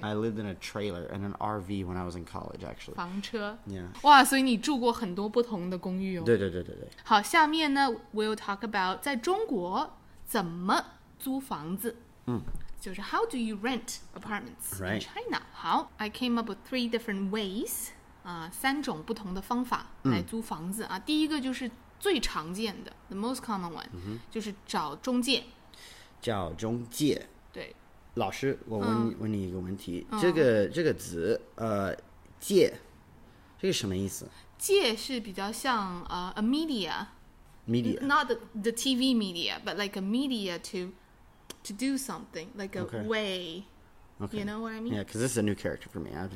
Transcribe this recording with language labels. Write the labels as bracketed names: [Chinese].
[English] I lived in a trailer and an RV when I was in college, actually. [Chinese] 房车 [English] Yeah. [Chinese] 哇，所以你住过很多不同的公寓哦。对对对对对。好，下面呢 ， [English] we'll talk about [Chinese] 在中国怎么租房子。嗯。 [English] 就是 how do you rent apartments in China? 好 ，I came up with three different ways. [Chinese] 三种不同的方法来租房子啊。第一个就是最常见的 ， [English] the most common one， [Chinese] 就是找中介。找中介。对。老师，我问你一个问题，这个词，借，这个什么意思？借是比较像 [English] a media, not the TV media, but like a media to do something, like a way. Okay. You know what I mean? Yeah, because this is a new character for me.